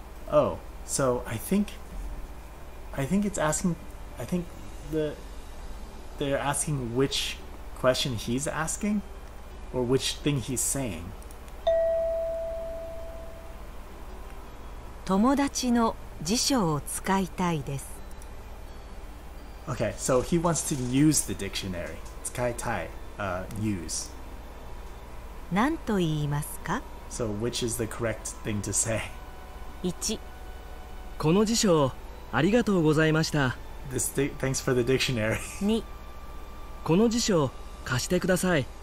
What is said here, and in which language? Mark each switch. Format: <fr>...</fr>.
<en>Oh, so I think they're asking which question he's asking or which thing he's saying.</en> <ja>友達の辞書を使いたいです。</ja> <en>Okay, so he wants to use the dictionary.</en> <ja>使いたい、use. 何と言いますか?</ja> <en>So which is the correct thing to say? 1.</en> <ja>この辞書、ありがとうございました。</ja> <en>Thanks for the dictionary. 2.</en> <ja>この辞書、貸してください。</ja>